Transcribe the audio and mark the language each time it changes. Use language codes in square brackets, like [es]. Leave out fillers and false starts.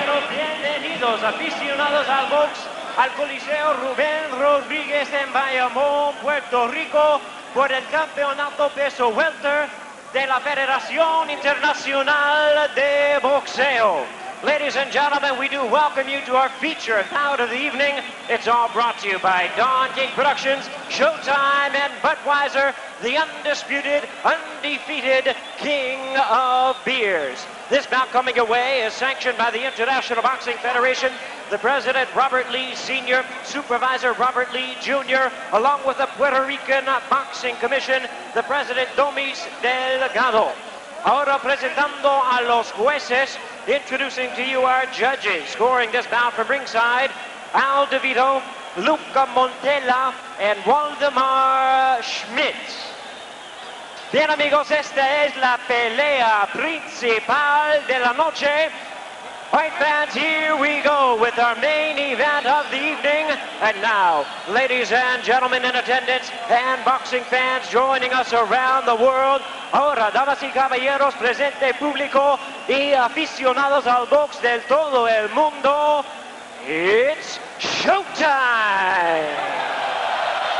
[es] box al Coliseo Ruben Rodriguez en Bayamon, Puerto Rico, por el campeonato peso welter de la Federación Internacional de Boxeo. [en] Ladies and gentlemen, we do welcome you to our feature bout of the evening. It's all brought to you by Don King Productions, Showtime, and Budweiser, the undisputed, undefeated king of beers. This bout coming your way is sanctioned by the International Boxing Federation, the President Robert Lee Sr., Supervisor Robert Lee Jr., along with the Puerto Rican Boxing Commission, the President Domis Delgado. [es] Ahora presentando a los jueces, [en] introducing to you our judges, scoring this bout from ringside, Al DeVito, Luca Montella, and Waldemar Schmidt. [es] Bien amigos, esta es la pelea principal de la noche. [en] Fight fans, here we go with our main event of the evening. And now, ladies and gentlemen in attendance and boxing fans joining us around the world, [es] ahora, damas y caballeros, presente público y aficionados al box del todo el mundo, [en] it's showtime!